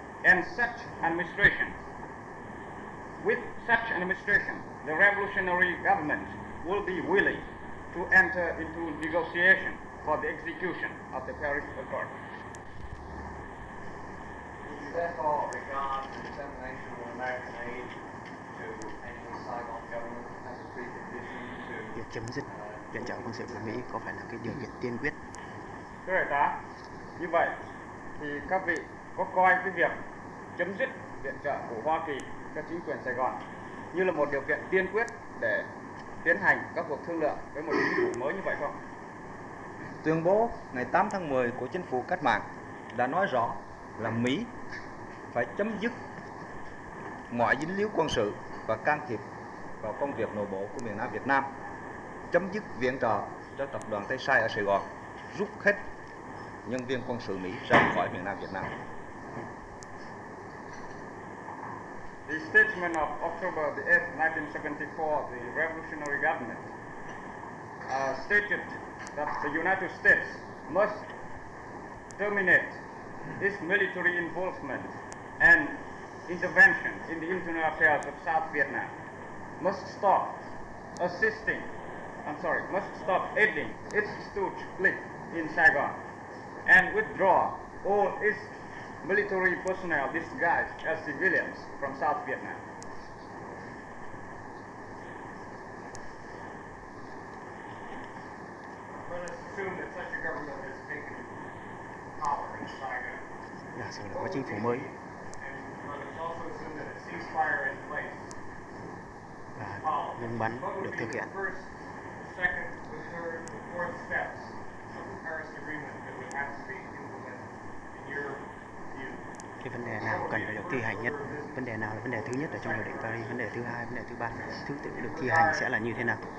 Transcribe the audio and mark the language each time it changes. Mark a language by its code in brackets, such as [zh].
[en] And such administration, with such an administration, the revolutionary government will be willing to enter into negotiation for the execution of the Paris Accord. Would you therefore regard the dissemination of American aid to any Saigon government as a precondition to [vi] việc chấm dứt viện trợ quân sự của Mỹ có phải là cái điều kiện tiên quyết? Thưa đại tá, như vậy thì các vị có coi cái việc chấm dứt viện trợ của Hoa Kỳ cho chính quyền Sài Gòn như là một điều kiện tiên quyết để tiến hành các cuộc thương lượng với một chính phủ mới như vậy không? Tuyên bố ngày 8 tháng 10 của chính phủ cách mạng đã nói rõ là Mỹ phải chấm dứt mọi dính líu quân sự và can thiệp vào công việc nội bộ của miền Nam Việt Nam, chấm dứt viện trợ cho tập đoàn Tây Sai ở Sài Gòn, rút hết nhân viên quân sự Mỹ ra khỏi miền Nam Việt Nam. [en] The statement of October the 8th, 1974, the revolutionary government stated that the United States must terminate its military involvement and intervention in the internal affairs of South Vietnam, must stop aiding its stooge clique in Saigon, and withdraw all its military personnel disguised as civilians from South Vietnam. Let us assume that such a government has taken power in Saigon. Yeah, so the watching for me. And let us also assume that a ceasefire in place. [vi] Ngừng bắn được thực hiện. [en] First, second, the third, the fourth steps of the Paris Agreement that would have to be implemented in your [vi] cái vấn đề nào cần phải được thi hành nhất, vấn đề nào là vấn đề thứ nhất ở trong hiệp định Paris, vấn đề thứ hai, vấn đề thứ ba, thứ tự được thi hành sẽ là như thế nào?